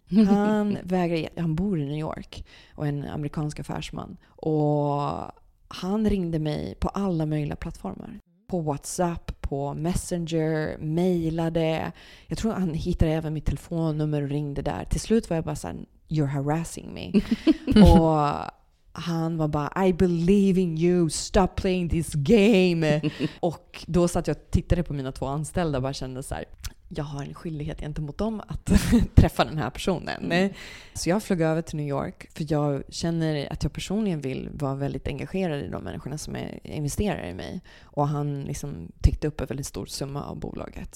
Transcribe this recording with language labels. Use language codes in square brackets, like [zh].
[sv] Han vägrade ge sig. Han bor i New York och är en amerikansk affärsman. Och han ringde mig på alla möjliga plattformar. På WhatsApp, på Messenger, mailade. Jag tror han hittade även mitt telefonnummer och ringde där. Till slut var jag bara såhär, [en] you're harassing me. [sv] Och han var bara, [en] I believe in you, stop playing this game. [sv] Och då satt jag och tittade på mina två anställda och bara kände så här, jag har en skyldighet gentemot dem att träffa den här personen. Mm. Så jag flög över till New York för jag känner att jag personligen vill vara väldigt engagerad i de människorna som investerar i mig. Och han liksom tyckte upp en väldigt stor summa av bolaget.